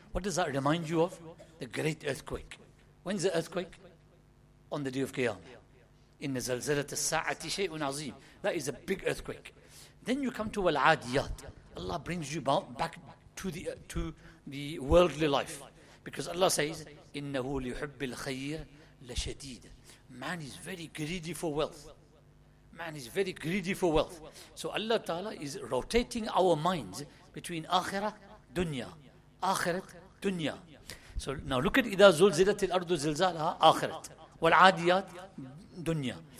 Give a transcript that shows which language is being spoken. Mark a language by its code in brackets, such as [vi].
[en] What does that remind you of? The great earthquake. When's the earthquake? On the day of Qiyamah. [ar] إِنَّ زَلْزَلَتِ السَّاعَةِ شَيْءٌ عَظِيمٌ. [en] That is a big earthquake. Then you come to Wal-Adiyat. Allah brings you back to the worldly life. Because Allah says, [ar] إِنَّهُ لِحُبِّ الْخَيِّرِ لَشَدِيدٌ. [en] Man is very greedy for wealth. Man is very greedy for wealth. So Allah Ta'ala is rotating our minds between Akhirah, Dunya. Akhirat, Dunya. So now look at [ar] إِذَا زُلْزِلَتِ الْأَرْضُ زِلْزَالَهَا. [en] Akhirat. وَالْعَادِيَاتِ Dunya.